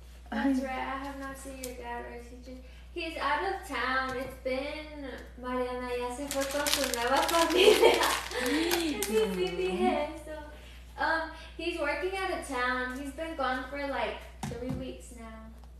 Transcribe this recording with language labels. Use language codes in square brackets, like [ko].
[en] That's right, I have not seen your dad or his teacher. He's out of town. It's been... [es] Mariana ya se fue con su nueva familia. Sí, sí, eso. [en] He's working out of town. He's been gone for like 3 weeks now.